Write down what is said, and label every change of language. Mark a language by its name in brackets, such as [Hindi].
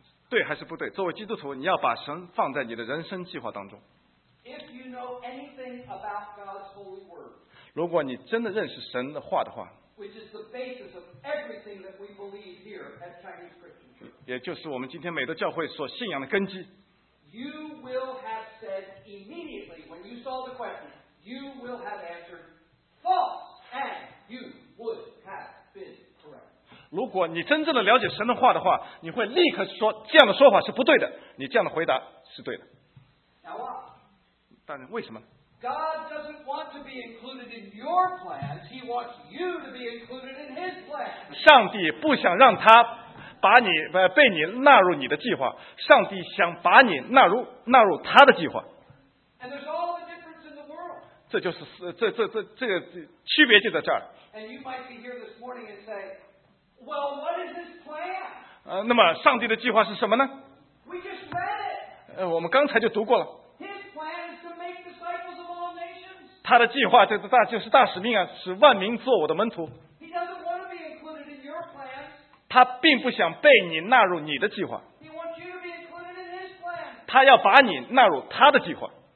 [Chinese] 对还是不对？作为基督徒，你要把神放在你的人生计划当中。 [English] If you know anything about God's holy word, [Chinese] 如果你真的认识神的话的话 [English] which is the basis of everything that we believe here at Chinese Christian Church, [Chinese] 也就是我们今天美德教会所信仰的根基 [English] you will have said immediately when you saw the question, you will have answered false, and you would have been correct. [Chinese] 如果你真正的了解神的话的话，你会立刻说这样的说法是不对的，你这样的回答是对的。但为什么 [English] ？God doesn't want to be included in your plans. He wants you to be included in His plans. [Chinese] 上帝不想让他把你被你纳入你的计划。上帝想把你纳入他的计划。 [English] And there's all the difference in the world. [Chinese] 这就是这个区别就在这儿。 [English] And you might be here this morning and say, Well, what is his plan? [Chinese] 那么上帝的计划是什么呢？ [English] We just read it. [Chinese] 我们刚才就读过了。 [English] His plan is to make disciples of all nations. [Chinese] 他的计划就是大使命啊，使万民做我的门徒。 [English] He doesn't want to be included in your plan. [Chinese] 他并不想被你纳入你的计划。 [English] He wants you to be included in his plan. [Chinese] 他要把你纳入他的计划。